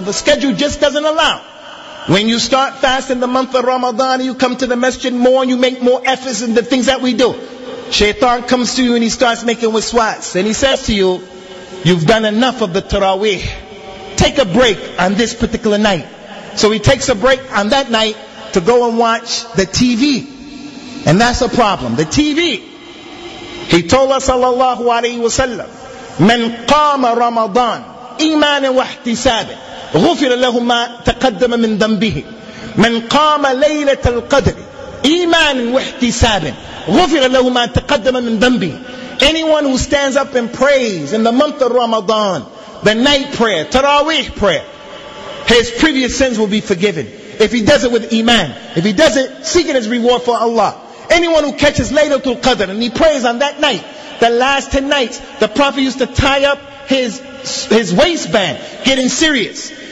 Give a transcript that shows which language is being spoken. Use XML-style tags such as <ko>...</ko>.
<en>The schedule just doesn't allow. When you start fasting the month of Ramadan, you come to the masjid more and you make more efforts in the things that we do. Shaitan comes to you and he starts making waswas. And he says to you, you've done enough of the Taraweeh. Take a break on this particular night. So he takes a break on that night to go and watch the TV. And that's a problem. The TV. He told us, sallallahu alayhi wa sallam,</en> <ar>من قام رمضان إيمانا واحتسابا غفر له ما تقدم من ذنبه من قام ليلة القدر إيمانا واحتسابا غفر له ما تقدم من ذنبه.</ar> <en>Anyone who stands up and prays in the month of Ramadan, the night prayer, Taraweeh prayer, his previous sins will be forgiven. If he does it with Iman, if he does it seeking his reward for Allah. Anyone who catches Laylatul Qadr and he prays on that night, the last 10 nights, the Prophet used to tie up his waistband, getting serious.</en>